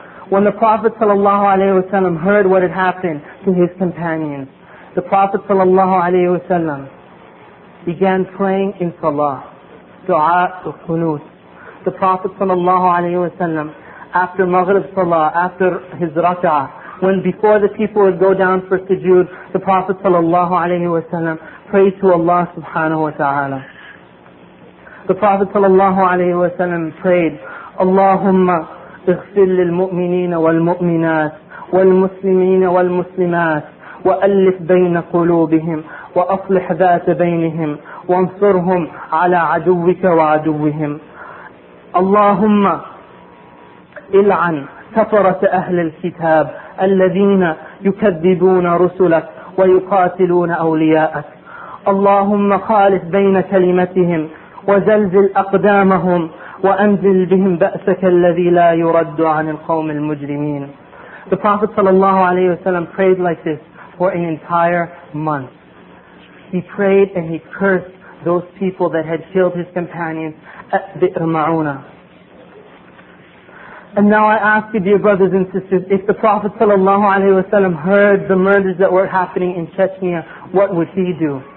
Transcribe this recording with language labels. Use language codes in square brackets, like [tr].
[en] When the Prophet sallallahu alayhi wa sallam heard what had happened to his companions, the Prophet sallallahu alayhi wa sallam began praying in salah, du'a to khunut. The Prophet sallallahu alayhi wa sallam, after Maghrib salah, after his rak'ah, when before the people would go down for sujood, the Prophet sallallahu alayhi wa sallam prayed to Allah subhanahu wa ta'ala. The Prophet sallallahu alayhi wa sallam prayed, [ar] Allahumma اغفر للمؤمنين والمؤمنات والمسلمين والمسلمات وألف بين قلوبهم وأصلح ذات بينهم وانصرهم على عدوك وعدوهم. اللهم إلعن كفرة أهل الكتاب الذين يكذبون رسلك ويقاتلون أولياءك. اللهم خالف بين كلمتهم وزلزل أقدامهم وأنزل بهم بأسك الذي لا يرد عن القوم المجرمين. [en] The Prophet sallallahu alayhi wa sallam prayed like this for an entire month. He prayed and he cursed those people that had killed his companions at Bi'r Ma'una. And now I ask you, dear brothers and sisters, if the Prophet sallallahu alayhi wa sallam heard the murders that were happening in Chechnya, what would he do?